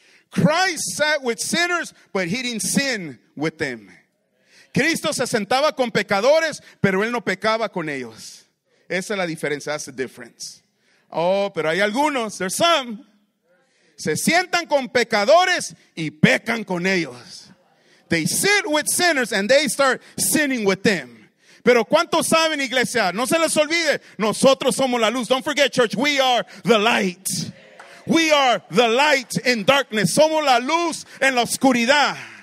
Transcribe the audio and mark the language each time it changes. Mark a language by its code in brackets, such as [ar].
[en] Christ sat with sinners, but he didn't sin with them. [es] Cristo se sentaba con pecadores, pero él no pecaba con ellos. Esa es la diferencia, [en] that's the difference. [es] Oh, pero hay algunos, [en] there's some. [es] Se sientan con pecadores y pecan con ellos. [en] They sit with sinners and they start sinning with them. [es] Pero ¿cuántos saben, iglesia? No se les olvide, nosotros somos la luz. [en] Don't forget, church, we are the light. We are the light in darkness. [es] Somos la luz en la oscuridad.